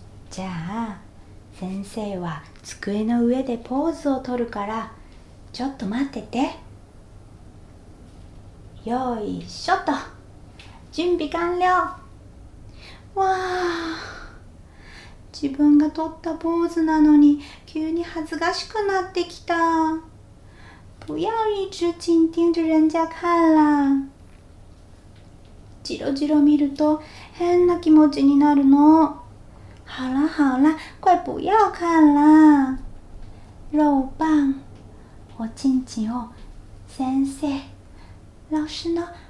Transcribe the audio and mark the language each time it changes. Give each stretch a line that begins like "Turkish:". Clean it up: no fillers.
Japanese: じゃあ、先生は机の上でポーズを取るから、ちょっと待ってて。よいしょっと、準備完了。わあ、自分が撮った坊主なのに急に恥ずかしくなってきた。
Chinese: 不要一直紧盯着人家看啦。
Japanese: ジロジロ見ると変な気持ちになるの。
Chinese: 好啦好啦，快不要看啦。肉棒，我亲亲哦，先生，老师呢？